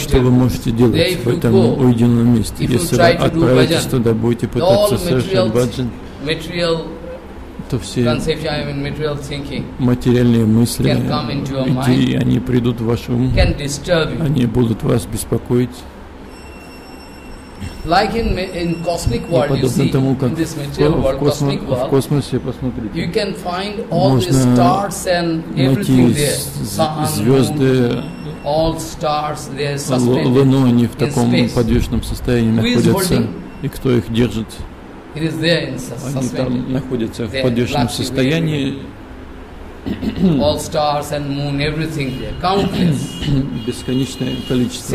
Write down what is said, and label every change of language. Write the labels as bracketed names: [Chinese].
[Russian] Что вы можете делать в этом уединенном месте? Если вы отправитесь туда, будете пытаться совершать баджан, то все материальные мысли, идеи, они придут в ваш ум, они будут вас беспокоить. [English] Like in cosmic world, you see, in this material world, cosmic world, [Russian] в космосе посмотрите, [English] you can find all the stars and everything there, [Russian] звезды. [English] All stars, they are suspended in space. [Russian] Луну они в таком подвижном состоянии находятся, и кто их держит? [English] It is there in suspended. [Russian] Они там находятся в подвижном состоянии. [English] All stars and moon, everything there, countless. [Russian] Бесконечное количество.